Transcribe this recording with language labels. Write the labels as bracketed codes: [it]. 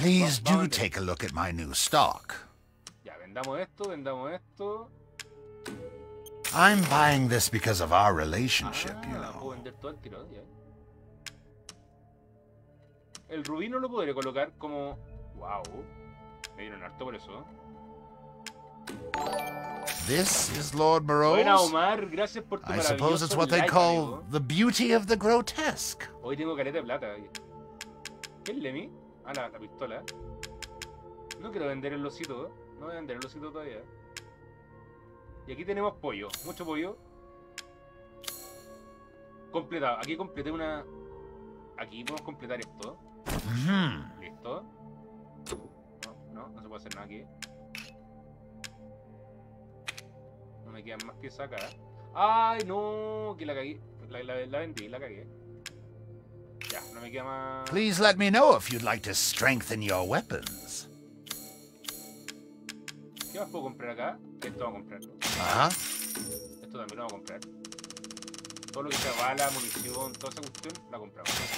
[en] Please do take a look at my new stock. [es] Vendamos esto. [en] I'm buying this because of our relationship, you know. [es] Puedo vender todo el tiro, ya. El rubí no lo podré colocar como... wow. Me dieron harto por eso. [en] This is Lord Moroz. [es] Buena, Omar. Gracias por tu [en] I suppose it's what they like, call [es] amigo. [en] The beauty of the grotesque. [es] Hoy tengo careta de plata. ¿Qué es Lemmy? Ah, la pistola. No quiero vender el osito. No voy a vender el osito todavía. Y aquí tenemos pollo. Mucho pollo. Completado. Aquí completé una... Aquí podemos completar esto. Listo. No se puede hacer nada aquí. No me quedan más piezas acá. ¡Ay, no! Que la cagué. La vendí, la cagué. Ya, no me queda más. [en] Please let me know if you'd like to strengthen your weapons. [es] ¿Qué más puedo comprar acá? Esto voy a comprar. Ajá. Esto también lo voy a comprar. Todo lo que sea bala, munición, toda esa cuestión, la compramos.